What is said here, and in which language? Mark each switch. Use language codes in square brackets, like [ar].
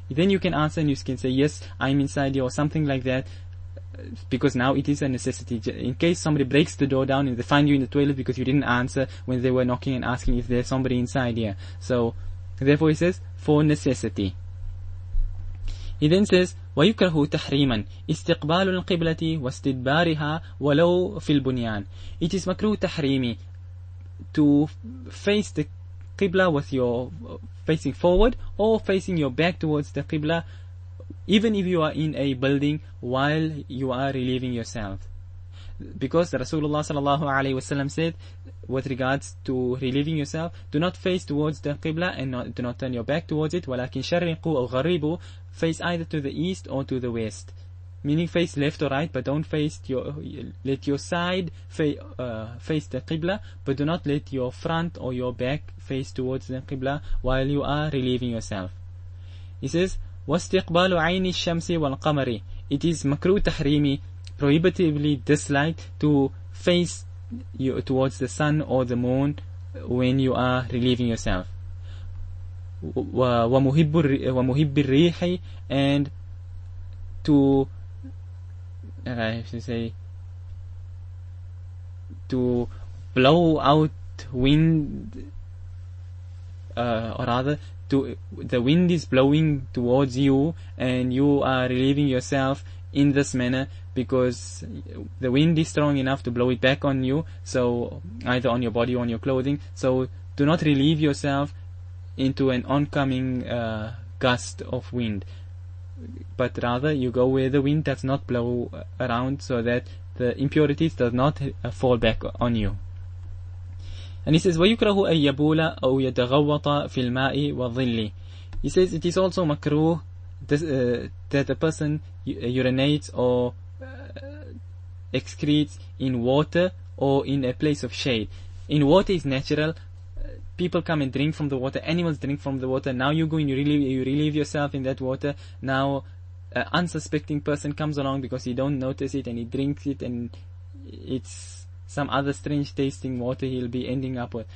[en] Then you can answer and you can say, yes, I'm inside you, or something like that. Because now it is a necessity. In case somebody breaks the door down and they find you in the toilet because you didn't answer when they were knocking and asking if there's somebody inside here. So, therefore he says, for necessity. [ar] He then says, وَيُكْرَهُ تَحْرِيمًا إِسْتِقْبَالُ الْقِبْلَةِ وَاسْتِدْبَارِهَا وَلَوْ فِي الْبُنْيَانِ. [en] It is makruh tahrimi to face the qibla with your facing forward or facing your back towards the qibla, even if you are in a building while you are relieving yourself. Because Rasulullah sallallahu alayhi wasallam said, with regards to relieving yourself, do not face towards the qibla and not, do not turn your back towards it. [ar] وَلَكِنْ شَرِّقُوا أَغْغَرِيبُوا, [en] face either to the east or to the west. Meaning face left or right, but don't face your, let your side face the qibla, but do not let your front or your back face towards the qibla while you are relieving yourself. [ar] He says, وَاسْتِقْبَالُ عَيْنِ الشَّمْسِ وَالْقَمَرِ. [en] It is makruh tahrimi, prohibitively disliked, to face you towards the sun or the moon when you are relieving yourself. [ar] وَمُهِبِّ الرِّيحِ, [en] and to, I should say, to blow out wind, or rather, to, the wind is blowing towards you and you are relieving yourself in this manner because the wind is strong enough to blow it back on you, so either on your body or on your clothing. So do not relieve yourself into an oncoming gust of wind, but rather you go where the wind does not blow around so that the impurities does not fall back on you. [ar] And he says, وَيُكْرَهُ أَن يَبُولَ أَوْ يَتَغَوَّطَ فِي الْمَاءِ وَالظِّلِّ. [en] He says, it is also makruh that a person urinates or excretes in water or in a place of shade. In water is natural. People come and drink from the water. Animals drink from the water. Now you go and you relieve yourself in that water. Now an unsuspecting person comes along because he don't notice it and he drinks it and it's some other strange tasting water he'll be ending up with.